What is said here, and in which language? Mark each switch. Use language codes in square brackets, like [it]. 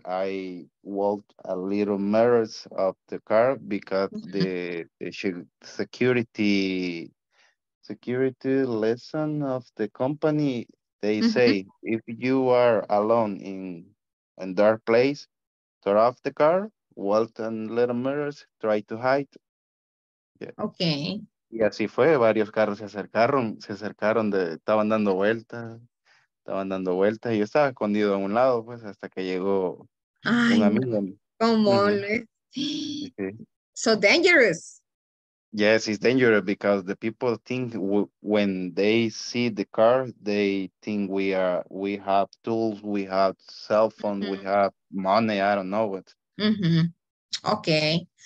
[en] I walked a little mirrors of the car because the security lesson of the company, they say, if you are alone in a dark place, turn off the car, walk in little mirrors, try to hide. Yeah. Okay. [es] Y así fue, varios carros se acercaron, estaban dando vueltas, y yo estaba escondido a un lado, pues, hasta que llegó un amigo. [en] Come on. So dangerous. Yes, it's dangerous because the people think when they see the car, they think we have tools, we have cell phone, mm-hmm. we have money, I don't know what. Mm-hmm. Okay.